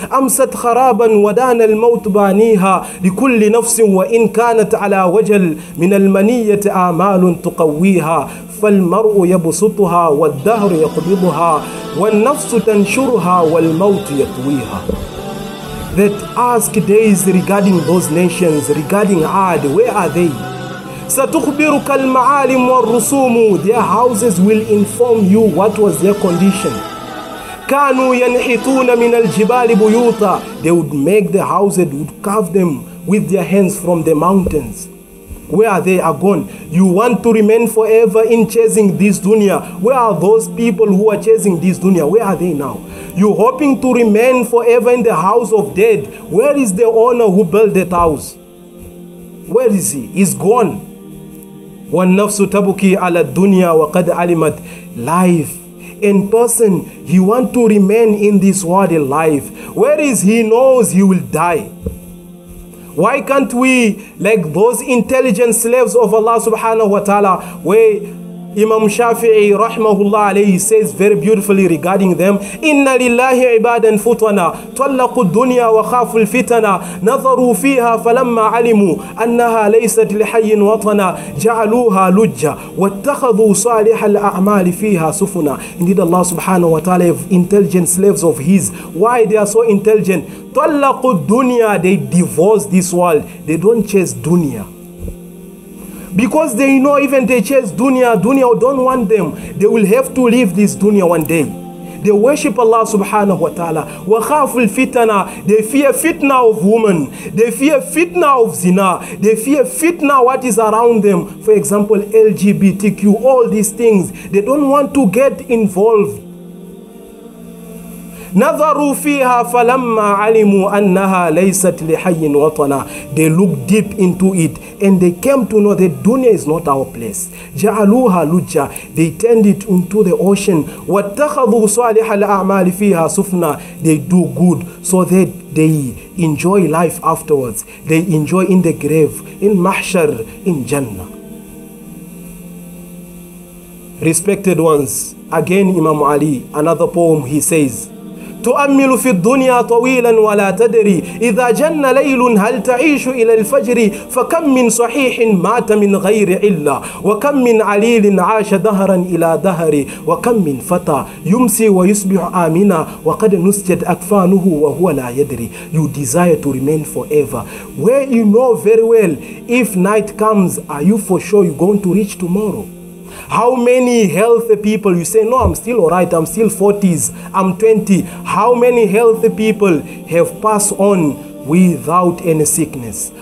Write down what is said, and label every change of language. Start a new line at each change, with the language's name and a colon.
Arabic: أمست خرابا ودان الموت بانيها لكل نفس وإن كانت على وجل من المنية آمال تقويها فالمرء يبسطها والدهر يقبضها والنفس تنشرها والموت يطويها.
English: That ask days regarding those nations, regarding Ad, where are they?
Arabic: ستخبرك المعالم والرسوم,
English: their houses will inform you what was their condition.
Arabic: كانوا ينحتون من الجبال بيوتا,
English: they would make the houses, would carve them with their hands from the mountains. Where are they? Are gone. You want to remain forever in chasing this dunya. Where are those people who are chasing this dunya? Where are they now? You hoping to remain forever in the house of dead. Where is the owner who built that house? Where is he? He's gone.
Arabic: وَالنَّفْسُ تَبُكِي عَلَى الدُّنْيَا وَقَدْ عَلِمَتْ.
English: Life. In person, he want to remain in this world alive. Where is he? Knows he will die. Why can't we, like those intelligent slaves of Allah subhanahu wa ta'ala, where Imam Shafi'i rahmahullah alayhi says very beautifully regarding them,
Arabic: إِنَّ لِلَّهِ عِبَادًا فُتْوَنَا تُوَلَّقُوا الدُّنْيَا وَخَافُوا الْفِتَنَا نَظَرُوا فِيهَا فَلَمَّا عَلِمُوا أَنَّهَا لَيْسَتْ لِحَيٍّ وَطَنَا جَعَلُوهَا لُجَّ وَاتَّخَذُوا صَالِحَ الْأَعْمَالِ فِيهَا سُفُنَا.
English: Indeed Allah subhanahu wa ta'ala, intelligent slaves of his, why they are so intelligent?
Arabic: تُوَلَّقُوا الدُّنْيَا,
English: they divorce this world, they don't chase dunya. Because they know, even they chase dunya, dunya don't want them. They will have to leave this dunya one day. They worship Allah subhanahu wa ta'ala.
Arabic: Wa khafu al-fitana.
English: They fear fitna of women. They fear fitna of zina. They fear fitna what is around them. For example, LGBTQ, all these things. They don't want to get involved.
Arabic: Nazaru fiha falamma alimu annaha laysat lihayyin watana.
English: They look deep into it and they came to know that dunya is not our place.
Arabic: Ja'aluha lujja.
English: They turned it into the ocean.
Arabic: Wattakhadhu salih al-a'mal fiha sufna.
English: They do good so that they enjoy life afterwards. They enjoy in the grave, in mahshar, in jannah. Respected ones, again Imam Ali, another poem, he says,
Arabic: تؤمل في الدنيا طويلا ولا تدري إذا جن ليل هل تعيش إلى الفجر فكم من صحيح مات من غير علة وكم من عليل عاش دهرا إلى دهر وكم من فتى يمسي ويصبح آمنا وقد نسجت أكفانه وهو لا يدري.
English: You desire to remain forever where you know very well if night comes, are you for sure you're going to reach tomorrow? How many healthy people, you say, no, I'm still all right, I'm still 40s, I'm 20. How many healthy people have passed on without any sickness?